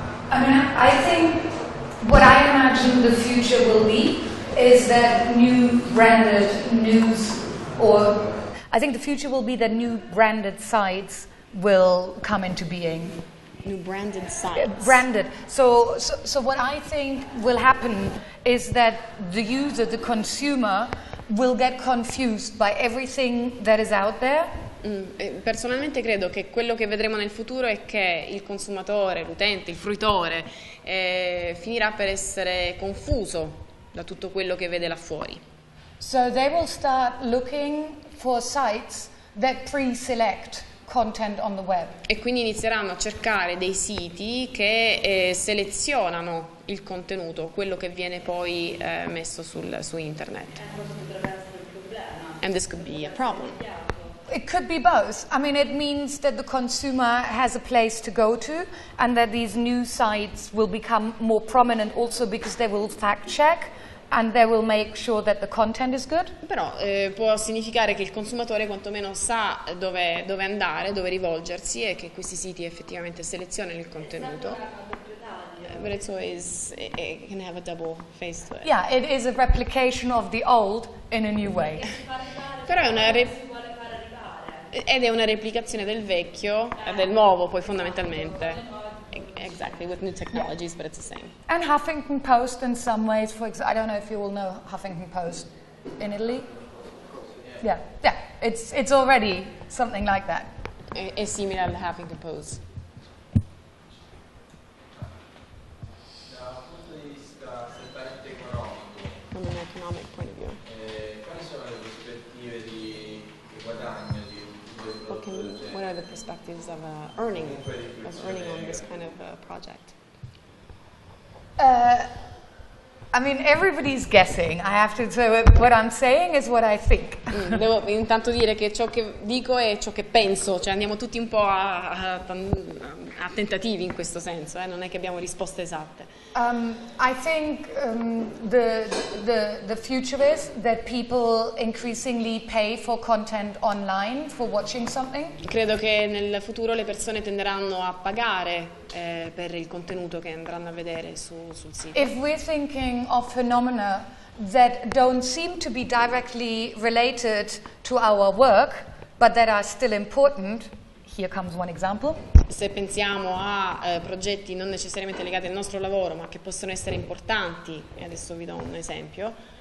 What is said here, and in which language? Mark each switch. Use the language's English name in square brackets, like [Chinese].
[English] I think what I imagine the future will be is that new branded news, or I think the future will be that new branded sites will come into being. New branded sites. Branded. So what I think will happen is that the user, the consumer, will get confused by everything that is out there. [Italian] Personalmente credo che quello che vedremo nel futuro è che il consumatore, l'utente, il fruitore, finirà per essere confuso da tutto quello che vede là fuori. [English] So they will start looking for sites that pre-select content on the web. [Italian] E quindi inizieranno a cercare dei siti che selezionano il contenuto, quello che viene poi messo su internet. [English] And this could be a problem. It could be both. I mean, it means that the consumer has a place to go to, and that these new sites will become more prominent also because they will fact check. And they will make sure that the content is good. [Italian] Però può significare che il consumatore quantomeno sa dove andare, dove rivolgersi, e che questi siti effettivamente selezionano il contenuto. [English] But it's always, it can have a double face to it. Yeah, it is a replication of the old in a new way. [Italian] Però è una replicazione del vecchio, del nuovo, poi fondamentalmente. [English] Exactly, with new technologies, yeah. But it's the same. And Huffington Post in some ways, for example, I don't know if you all know Huffington Post in Italy. Yeah, it's already something like that. It's similar to Huffington Post. From an economic point of view. What are the perspectives of earning on this kind of project? I mean, everybody's guessing. I have to say what I'm saying is what I think. [Italian] Devo intanto dire che ciò che dico è ciò che penso. Cioè, andiamo tutti un po' a tentativi in questo senso. Non è che abbiamo risposte esatte. [English] I think the future is that people increasingly pay for content online for watching something. [Italian] Credo che nel futuro le persone tenderanno a pagare per il contenuto che andranno a vedere sul sito. [English] If we're thinking of phenomena that don't seem to be directly related to our work, but that are still important, here comes one example. [Italian] Se pensiamo a progetti non necessariamente legati al nostro lavoro, ma che possono essere importanti, e adesso vi do un esempio.